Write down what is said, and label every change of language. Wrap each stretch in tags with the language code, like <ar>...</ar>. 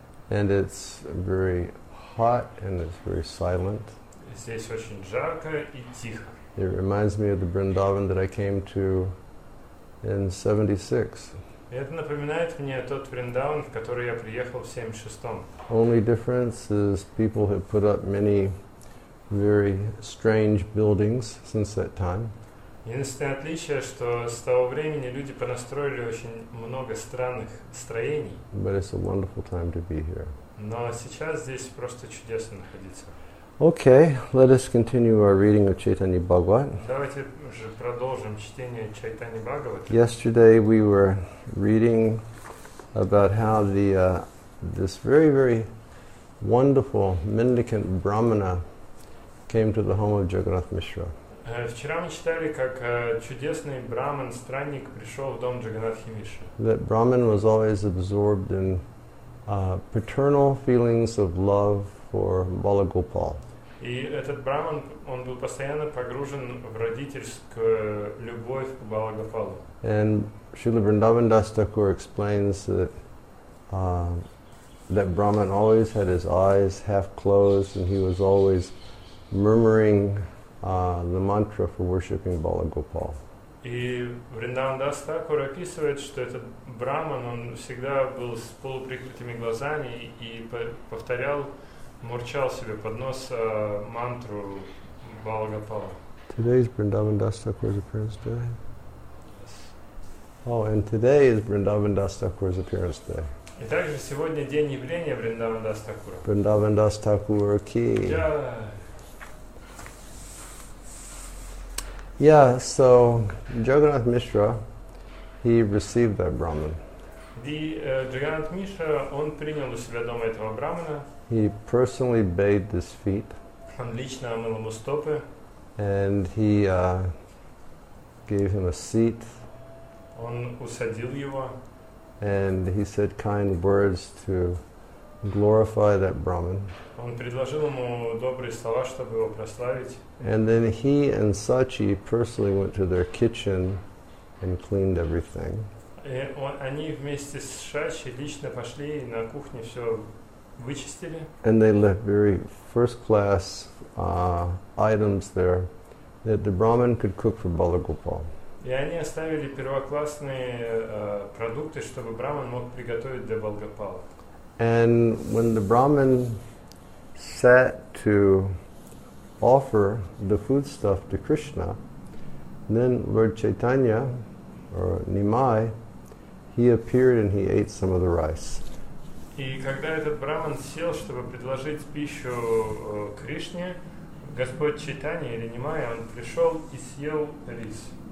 <en>And it's very hot and it's very silent.</en> <ru>Здесь очень жарко и тихо.</ru> <en>It reminds me of the Vrindavan that I came to in 76.</en> <ru>Это напоминает мне тот Вриндаван, в который я приехал в 76-м.</ru> <en>Only difference is people have put up many very strange buildings since that time.</en> <ru>Единственное отличие, что с того времени люди понастроили очень много странных строений.</ru> <en>But it's a wonderful time to be here.</en> <ru>Но сейчас здесь просто чудесно находиться.</ru> <en>Okay, let us continue our reading of Chaitanya Bhagavat.</en> <ru>Давайте же продолжим чтение Чайтани Бхагаваты.</ru> <en>Yesterday we were reading about how the this very, very wonderful mendicant Brahmana came to the home of Jagannath Mishra.</en> <ru>Вчера мы читали, как чудесный Брахман, странник, пришел в дом Джаганнатхи Мишры.</ru> <en>That Brahman was always absorbed in paternal feelings of love for Bala Gopal.</en> <ru>И этот Брахман, он был постоянно погружен в родительскую любовь к Бала Гопалу.</ru> <en>And Srila Vrindavan Das Thakur explains that that Brahman always had his eyes half closed and he was always murmuring the mantra for worshipping Bala Gopal.</en> <ru>И Vrindavan Das Thakur описывает, что этот Брахман, он всегда был с полуприкрытыми глазами и повторял, мурчал себе под нос мантру Бала Гопала.</ru> <en>Today is Vrindavan Das Thakur's appearance day. Oh, and today is Vrindavan Das Thakur's appearance day.</en> <ru>И также сегодня день явления Vrindavan Das Thakur.</ru> <en>Vrindavan Das Thakur ki. Yeah, so Jagannath Mishra, he received that Brahman.</en> <ru>Jagannath Mishra, он принял у себя дома этого Брахмана.</ru> <en>He personally bathed his feet.</en> <ru>Он лично омыл ему стопы.</ru> <en>And he gave him a seat.</en> <ru>Он усадил его.</ru> <en>And he said kind words to glorify that Brahman.</en> <ru>Он предложил ему добрые слова, чтобы его прославить.</ru> <en>And then he and Sachi personally went to their kitchen and cleaned everything.</en> <ru>Они вместе с Шачи лично пошли и на кухне все вычистили.</ru> <en>And they left very first-class items there that the Brahman could cook for Bala Gopal.</en> <ru>И они оставили первоклассные продукты, чтобы Брахман мог приготовить для Бала Гопала.</ru> <en>And when the Brahman sat to offer the foodstuff to Krishna, then Lord Chaitanya, or Nimai, he appeared and he ate some of the rice.</en> <ru>И когда этот Брахман сел, чтобы предложить пищу Кришне, Господь Чайтанья или Нимай, он пришел и съел рис.</ru>